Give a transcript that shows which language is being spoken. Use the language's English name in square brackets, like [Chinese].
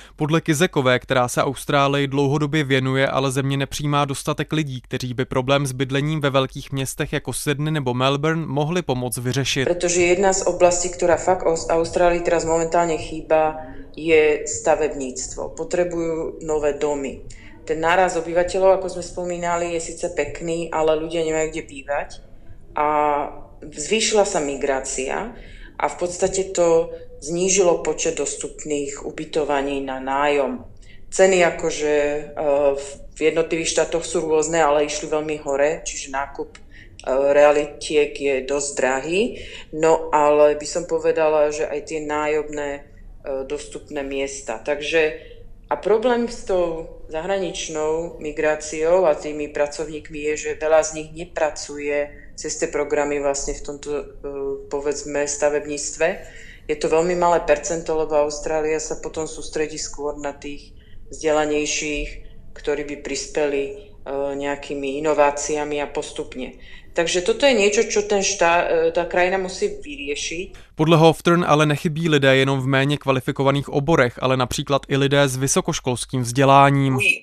[Czech] Podle Kizekové, která se Austrálii dlouhodobě věnuje, ale země nepřijímá dostatek lidí, kteří by problém s bydlením ve velkých městech jako Sydney nebo Melbourne mohli pomoct vyřešit. Protože jedna z oblastí, která fakt Austrálii [Slovak] teraz momentálně chýba, [Czech] je stavebnictvo. Potřebují nové domy. [Slovak] Ten náraz obyvateľov, ako sme spomínali, je síce pekný, ale ľudia nemajú kde bývať. A zvýšila sa migrácia a v podstate to znížilo počet dostupných ubytovaní na nájom. Ceny akože v jednotlivých štátoch sú rôzne, ale išli veľmi hore, čiže nákup realitiek je dosť drahý. No ale by som povedala, že aj tie nájomné dostupné miesta. Takže a problém s tou zahraničnou migráciou a tými pracovníkmi je, že veľa z nich nepracuje cez tie programy vlastne v tomto, povedzme, stavebníctve. Je to veľmi malé percento, lebo Austrália sa potom sústredí skôr na tých vzdelanejších, ktorí by prispeli nejakými inováciami a postupne. Takže toto je niečo, čo tá krajina musí vyriešiť. [Czech] Podle Hoftern ale nechybí lidé jenom v méně kvalifikovaných oborech, ale například i lidé s vysokoškolským vzděláním.